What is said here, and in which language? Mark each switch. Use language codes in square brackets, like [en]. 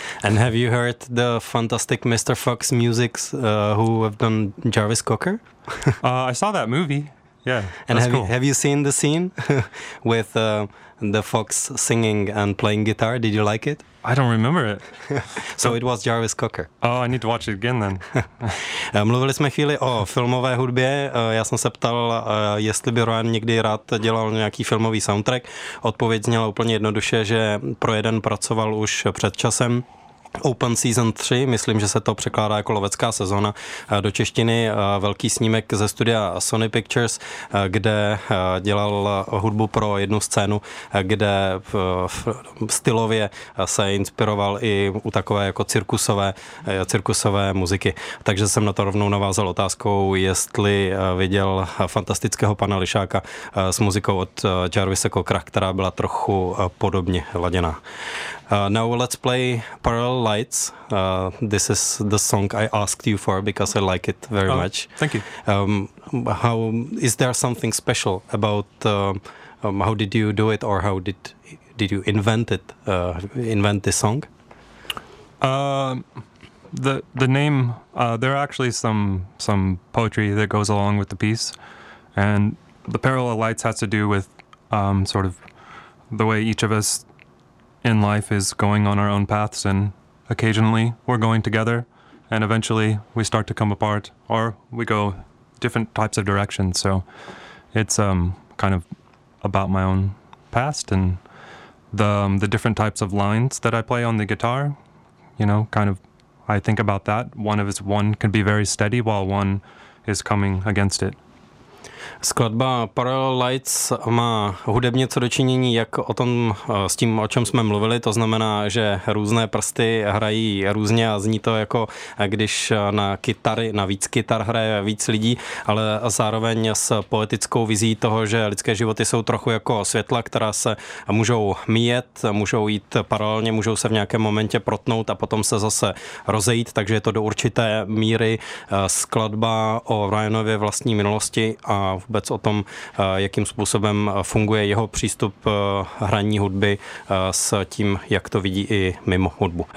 [en] And have you heard the fantastic Mr. Fox musics who have done Jarvis Cocker? I saw that movie. Yeah. And that's cool. Have you seen the scene with the fox singing and playing guitar? Did you like it? I don't remember it. So it was Jarvis Cocker. Oh, I need to watch it again then. [cs] Mluvili jsme chvíli o filmové hudbě. Já jsem se ptal, jestli by Ryan někdy rád dělal nějaký filmový soundtrack. Odpověď zněla úplně jednoduše, že pro jeden pracoval už před časem. Open Season 3, myslím, že se to překládá jako lovecká sezona do češtiny, velký snímek ze studia Sony Pictures, kde dělal hudbu pro jednu scénu, kde stylově se inspiroval i u takové jako cirkusové muziky. Takže jsem na to rovnou navázal otázkou, jestli viděl fantastického pana Lišáka s muzikou od Jarvisa Cockera, která byla trochu podobně laděná. [en] Now let's play Parallel Lights. This is the song I asked you for because I like it very much. Thank you. How is there something special about how did you do it, or how did you invent it? Invent this song? The name. There are actually some poetry that goes along with the piece, and the Parallel Lights has to do with sort of the way each of us in life is going on our own paths, and occasionally we're going together and eventually we start to come apart or we go different types of directions. So it's kind of about my own past and the different types of lines that I play on the guitar, you know, kind of, I think about that. One can be very steady while one is coming against it. [cs] Skladba Parallel Lights má hudebně co dočinění jak o tom, s tím, o čem jsme mluvili, to znamená, že různé prsty hrají různě a zní to jako, když na kytary, na víc kytar hraje víc lidí, ale zároveň s poetickou vizí toho, že lidské životy jsou trochu jako světla, která se můžou míjet, můžou jít paralelně, můžou se v nějakém momentě protnout a potom se zase rozejít, takže je to do určité míry skladba o Ryanově vlastní minulosti a vůbec o tom, jakým způsobem funguje jeho přístup hraní hudby s tím, jak to vidí i mimo hudbu.